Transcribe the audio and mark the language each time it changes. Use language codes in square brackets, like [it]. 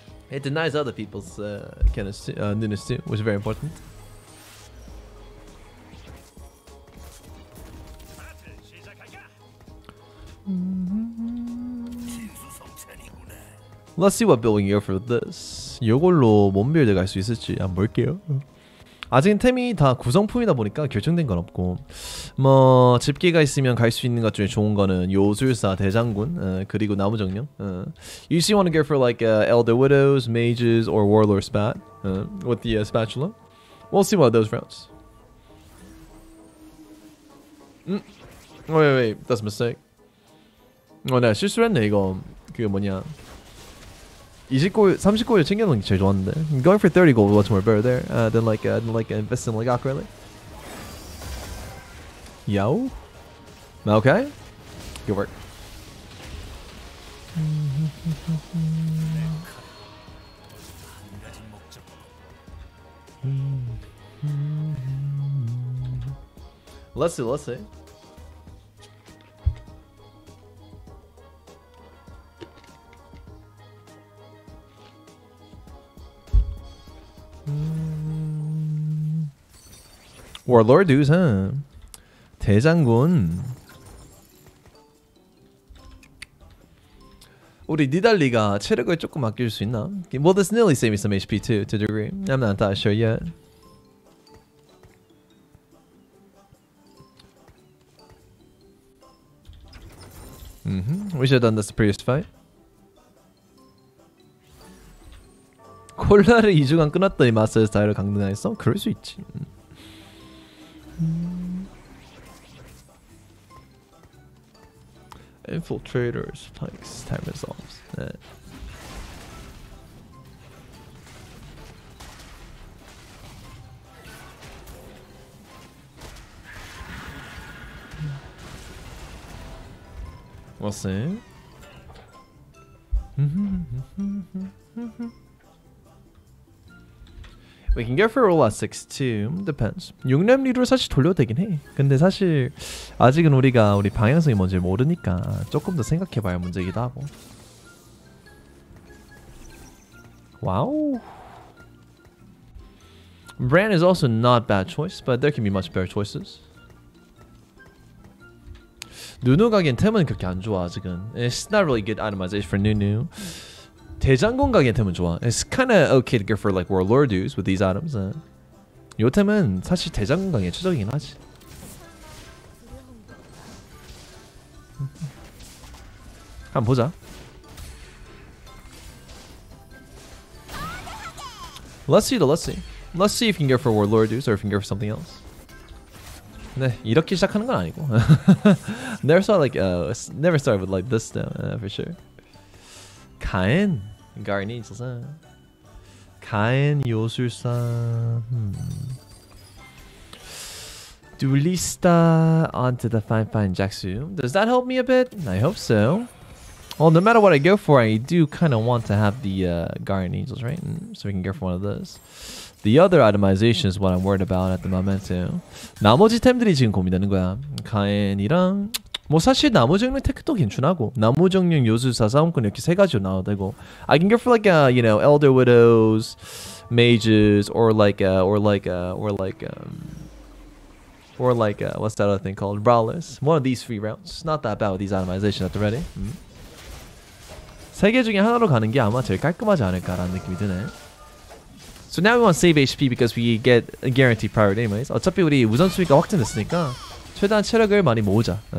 [en] It denies other people's Nunu's too, which is very important. Let's see what build we can go for this. [ko] 이걸로 뭔 빌드 갈 수 있을지 한번 볼게요. 아직 템이 다 구성품이다 보니까 결정된 건 없고, 뭐 집기가 있으면 갈 수 있는 것 중에 좋은 거는 요술사, 대장군, 그리고 나무 정령. [en] You usually want to go for like Elder Widows, Mages, or Warlord Spat with the spatula. We'll see what those routes. Wait, that's a mistake. [ko] Oh, 내가 실수했네 이거. 그게 뭐냐? 20골, 30골 챙겨놓은 게 제일 좋았는데. [en] Going for 30 gold was more better there than like investing like awkwardly. Yo. Okay. Good work. Let's see. [ko] Warlord 두사 대장군 우리 니달리가 체력을 조금 아낄 수 있나? [en] Well, this nearly saves me some HP too, to a degree. I'm not that sure yet. 음, we should have done this previous fight. [ko] 콜라를 2주간 끊었더니 마스터 스타일을 강등했어? 그럴 수 있지. [en] 인필트레이터스 플렉스 타임 리졸브. [ko] 네. 뭐세? [en] We can go for roll at 6-2. Depends. [ko] 6렙 리드로 사실 돌려도 되긴 해. 근데 사실 아직은 우리가 우리 방향성이 뭔지 모르니까 조금 더 생각해봐야 문제이기도 하고. 와우. [en] Brand is also not bad choice, but there can be much better choices. [ko] 누누 가기엔 템은 그렇게 안 좋아 아직은. [en] It's not really good itemization for 누누. [ko] 대장군 가기엔 템은 좋아. [en] It's kind of okay to go for like warlord dudes with these items. [ko] 요 템은 사실 대장군 가기에 최적이긴 하지. 한번 보자. [en] Let's see though, let's see. Let's see if you can go for warlord dudes or if you can go for something else. [ko] 네, 이렇게 시작하는 건 아니고. [en] Never saw like, never started with like this though, for sure. [ko] 가엔. 가인이 있어서 가인 요술사 [en] 둘리스타 onto the fine fine Jaxu. Does that help me a bit? I hope so. Well, no matter what I go for, I do kind of want to have the Guardian Angels, right? So we can go for one of those. The other itemization is what I'm worried about at the moment, too. [ko] 나머지 템들이 지금 고민되는 거야. 가엔이랑 뭐 사실 나머지 종류 테크도 괜찮하고 나머지 종류 요술사 싸움꾼 이렇게 세 가지로 나와도 되고 [en] I can go for like, you know, Elder Widows, Mages, or like, what's that other thing called? Brawlers. One of these three routes. Not that bad with these itemizations at the ready. Mm-hmm. [ko] 세 개 중에 하나로 가는 게 아마 제일 깔끔하지 않을까라는 느낌이 드네. [en] So now we want to save HP because we get a guaranteed priority anyways. [ko] 어차피 우리 우선 순위가 확정됐으니까 최대한 체력을 많이 모으자.